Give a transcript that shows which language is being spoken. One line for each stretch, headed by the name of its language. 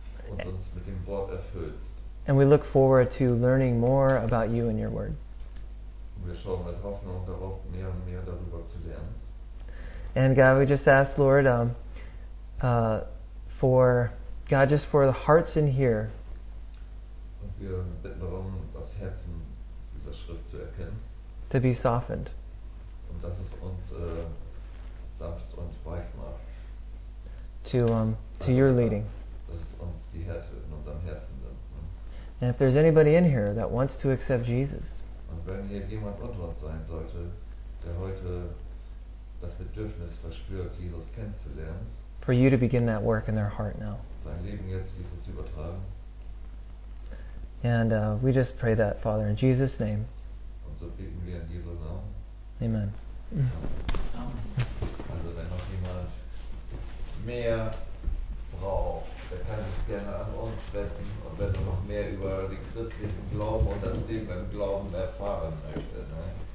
German: Und uns mit dem Wort erfüllst.
English: And we look forward to learning more about you and your word.
German: Wir schauen mit Hoffnung darauf, mehr und mehr darüber zu lernen.
English: And God, we just ask, Lord, for God, just for the hearts in here.
German: Und wir bitten darum, das Herzen dieser Schrift zu erkennen.
English: To be softened.
German: Und dass es uns sanft und weich macht.
English: To your leading.
German: Dass es uns die Härte in unserem Herzen nimmt.
English: And if there's anybody in here that wants to accept Jesus.
German: Und wenn hier jemand unter uns sein sollte, der heute das Bedürfnis verspürt, Jesus kennenzulernen.
English: For you to begin that work in their heart now.
German: Sein Leben jetzt Jesus zu übertragen.
English: And we just pray that, Father, in Jesus' name.
German: So beten wir in Jesu Namen. Amen. Also wenn noch jemand mehr braucht, der kann sich gerne an uns wenden. Und wenn du noch mehr über den christlichen Glauben und das Leben im Glauben erfahren möchtest, ne?